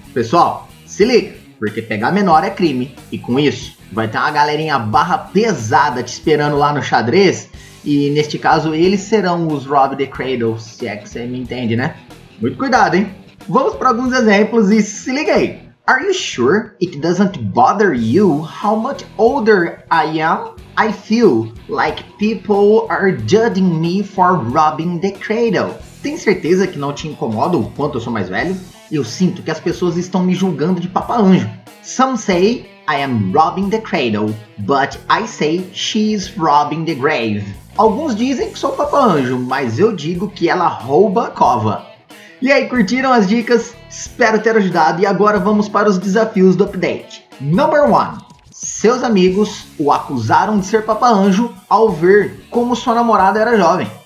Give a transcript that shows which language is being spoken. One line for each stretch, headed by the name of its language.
Portuguese: Pessoal, se liga, porque pegar menor é crime. E com isso, vai ter uma galerinha barra pesada te esperando lá no xadrez. E neste caso, eles serão os Rob the Cradle, se é que você me entende, né? Muito cuidado, hein? Vamos para alguns exemplos e se liga aí.
English: Are you sure it doesn't bother you how much older I am? I feel like people are judging me for robbing the cradle.
Portuguese: Tem certeza que não te incomoda o quanto eu sou mais velho? Eu sinto que as pessoas estão me julgando de Papa Anjo.
English: Some say I am robbing the cradle, but I say she's robbing the grave.
Portuguese: Alguns dizem que sou Papa Anjo, mas eu digo que ela rouba a cova. E aí, curtiram as dicas? Espero ter ajudado e agora vamos para os desafios do update.
English: Number 1.
Portuguese: Seus amigos o acusaram de ser Papa Anjo ao ver como sua namorada era jovem.